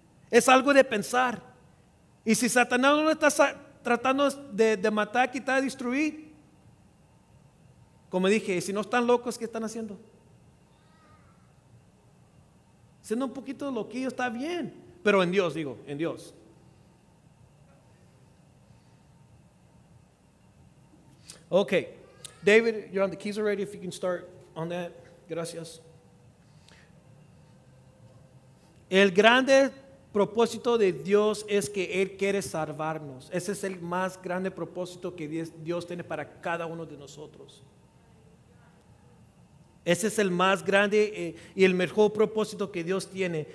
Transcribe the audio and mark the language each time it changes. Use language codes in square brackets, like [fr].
[es] Es algo de pensar. Y si Satanás no está tratando de matar, quitar, destruir, como dije, si no están locos, ¿qué están haciendo? Siendo un poquito loquillo está bien, pero en Dios, digo, en Dios. [en] Okay, David, you're on the keys already, if you can start on that. [es] Gracias. El grande propósito de Dios es que Él quiere salvarnos. Ese es el más grande propósito que Dios tiene para cada uno de nosotros. Ese es el más grande y el mejor propósito que Dios tiene.